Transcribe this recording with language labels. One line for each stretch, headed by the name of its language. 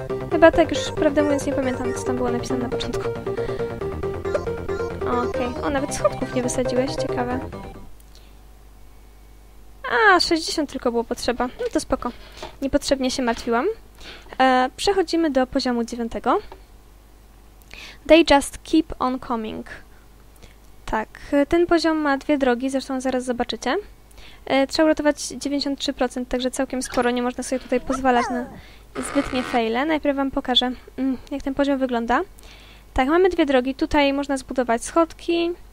Polish: Chyba tak, już prawdę mówiąc nie pamiętam, co tam było napisane na początku. Okej. Okay. O, nawet schodków nie wysadziłeś, ciekawe. A, 60 tylko było potrzeba. No to spoko. Niepotrzebnie się martwiłam. Przechodzimy do poziomu 9.
English: They just keep on coming.
Polish: Tak, ten poziom ma dwie drogi, zresztą zaraz zobaczycie. Trzeba uratować 93%, także całkiem sporo, nie można sobie tutaj pozwalać na zbytnie fejle. Najpierw wam pokażę, jak ten poziom wygląda. Tak, mamy dwie drogi, tutaj można zbudować schodki.